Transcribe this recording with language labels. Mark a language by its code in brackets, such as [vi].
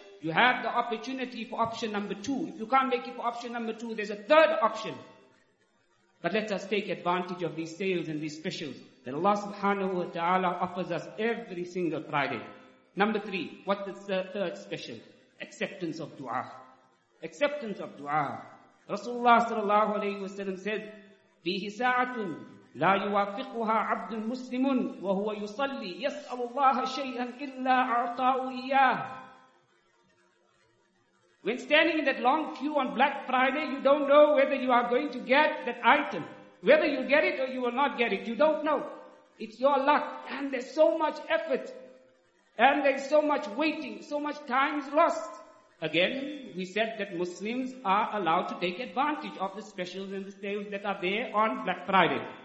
[en] You have the opportunity for option number two. If you can't make it for option number two, there's a third option. But let us take advantage of these sales and these specials that Allah subhanahu wa ta'ala offers us every single Friday. Number three, what's the third special? Acceptance of dua. Acceptance of dua. Rasulullah sallallahu alayhi wa sallam said, [ar] فِيهِ سَاعَةٌ لَا يُوَافِقُهَا عَبْدٌ مُسْلِمٌ وَهُوَ يُصَلِّي يَسْأَلُ اللَّهَ شَيْئًا إِلَّا أَعْطَاهُ إِيَّاهُ. [en] When standing in that long queue on Black Friday, you don't know whether you are going to get that item. Whether you get it or you will not get it, you don't know. It's your luck. And there's so much effort. And there's so much waiting. So much time is lost. Again, we said that Muslims are allowed to take advantage of the specials and the sales that are there on Black Friday.